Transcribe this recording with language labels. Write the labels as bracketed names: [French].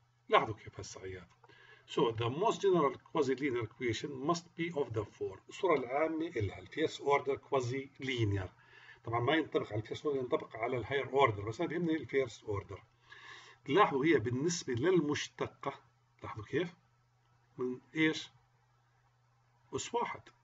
[Arabic] لاحظوا كيف هالسعيات. [English] So the most general quasi-linear equation must be of the four. [Arabic] الصورة العامة إلها الـ first order quasi-linear. طبعا ما ينطبق على الـ first order، ينطبق على الـ higher order، بس أنا بيهمني الـ first order. لاحظوا هي بالنسبة للمشتقة، لاحظوا كيف؟ من إيش؟ أس واحد.